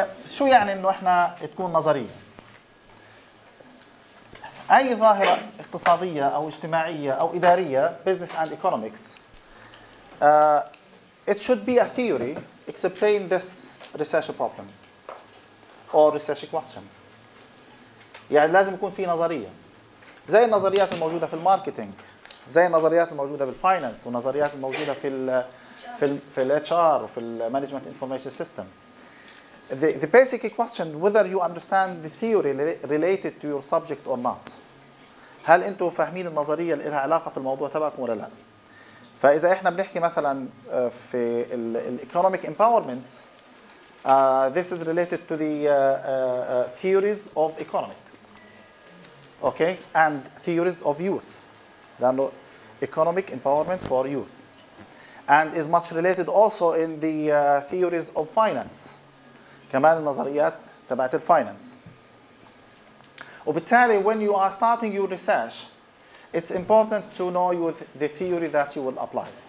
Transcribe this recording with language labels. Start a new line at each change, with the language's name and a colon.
Arabic: شو يعني انه احنا تكون نظرية؟ اي ظاهرة اقتصادية او اجتماعية او ادارية,
English: business and economics, it should be a theory explain this research problem or research question.
Arabic: يعني لازم يكون في نظرية, زي النظريات الموجودة في الماركتينج, زي النظريات الموجوده بالفاينانس والنظريات الموجوده في الـ في الـ في الاتش ار وفي المانجمنت انفورميشن سيستم.
English: The basic question whether you understand the theory related to your subject or not.
Arabic: هل انتم فاهمين النظريه اللي لها علاقه في الموضوع تبعكم ولا لا؟ فاذا احنا بنحكي مثلا في الايكونوميك امباورمنت,
English: this is related to the theories of economics. Okay, and theories of youth.
Arabic: لأنه
English: economic empowerment for youth and is much related also in the theories of finance,
Arabic: كمان النظريات تبعت الفاينانس. وبالتالي
English: when you are starting your research, it's important to know you the theory that you will apply.